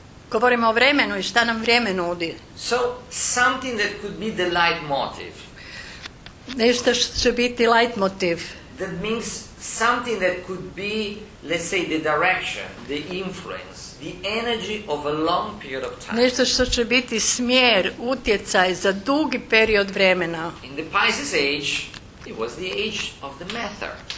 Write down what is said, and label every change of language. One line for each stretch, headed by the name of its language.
Croatian: Govorimo o vremenu i šta nam vrijeme nudi.
English: So something that could be the leitmotiv.
Croatian: Nešto što će biti leitmotiv.
English: That means something that could be, let's say, the direction, the influence, the energy of a long period of time.
Croatian: Nešto što će biti smjer, utjecaj za dugi period vremena.
English: In the Pisces age, it was the age of the matter.